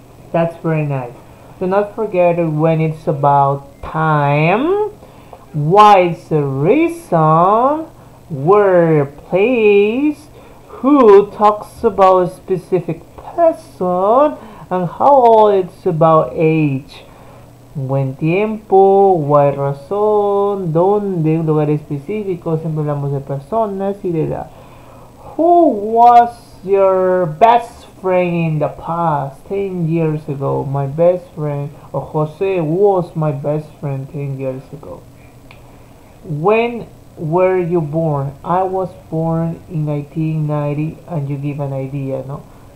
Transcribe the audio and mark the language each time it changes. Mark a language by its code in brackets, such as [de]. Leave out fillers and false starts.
[en] That's very nice. Do not forget when it's about time, why it's a reason, where, place, who talks about a specific person, and how old it's about age. [es] Buen tiempo, why razón, donde, un lugar específico, siempre hablamos de personas y de edad. [en] Who was your best friend in the past, 10 years ago? My best friend, or José was my best friend 10 years ago. When were you born? I was born in 1990, and you give an idea, no?